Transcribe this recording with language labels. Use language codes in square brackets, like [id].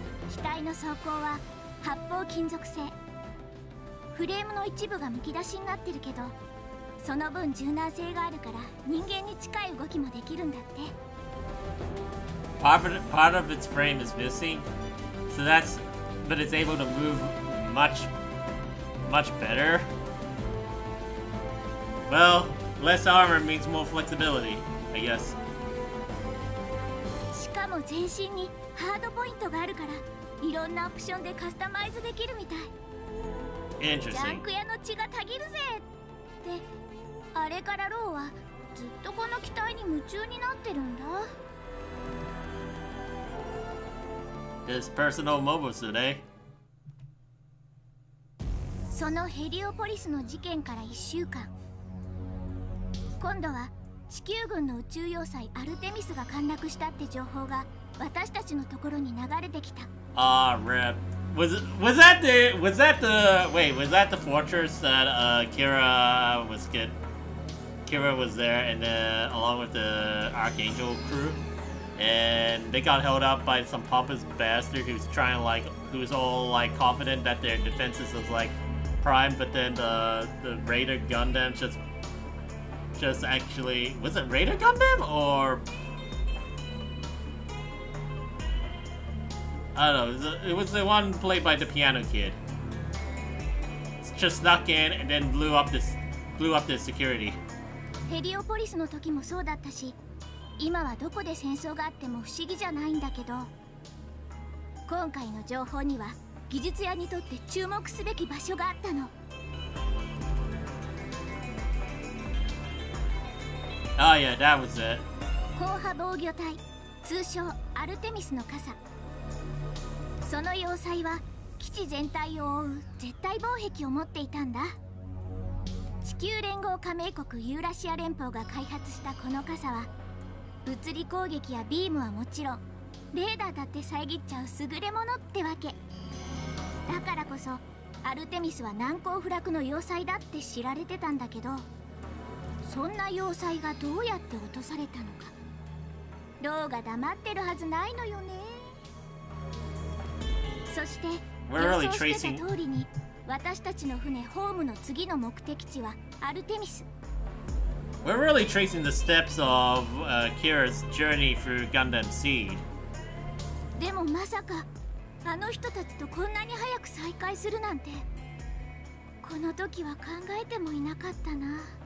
[ja] 機体の装甲は発泡金属製。フレームの一部がむき出しになってるけど、その分柔軟性があるから人間に近い動きもできるんだって。 [en] Part of its frame is missing, so that's, but it's able to move much, much better. Well, less armor means more flexibility, I guess. [ja] しかも全身にハードポイントがあるから、いろんなオプションでカスタマイズできるみたい。 [en] Interesting. [ja] ジャンク屋の血がたぎるぜって、あれからローはずっとこの機体に夢中になってるんだ。 [en] His personal mobile suit, eh? [ja] そのヘリオポリスの事件から1週間。今度は地球軍の宇宙要塞アルテミスが陥落したって情報が私たちのところに流れてきた。 [en] Ah, rip. Was that the fortress that Kira was get Akira was there, and along with the Archangel crew, and they got held up by some pompous bastard who's trying to, like, who's all like confident that their defenses was like prime, but then the Raider Gundam just actually, was it Raider Gundam or I don't know, it was the one played by the piano kid. Just snuck in and then blew up the security. [ja] Heliopolis の時もそうだったし、今はどこで戦争があっても不思議じゃないんだけど、今回の情報には技術屋にとって注目すべき場所があったの。 [en] Oh yeah, that was it. [ja] 硬派防御隊、通称アルテミスの傘。その要塞は基地全体を覆う絶対防壁を持っていたんだ。地球連合加盟国ユーラシア連邦が開発したこの傘は、物理攻撃やビームはもちろん、レーダーだって遮っちゃう優れものってわけ。だからこそアルテミスは難攻不落の要塞だって知られてたんだけど、そんな要塞がどうやって落とされたのか、ローが黙ってるはずないのよね。そして予想してた通りに、私たちの船ホームの次の目的地はアルテミス。 [en] We're really tracing the steps of Kira's journey through Gundam Seed. [ja] でもまさか、あの人たちとこんなに早く再会するなんて、この時は考えてもいなかったな。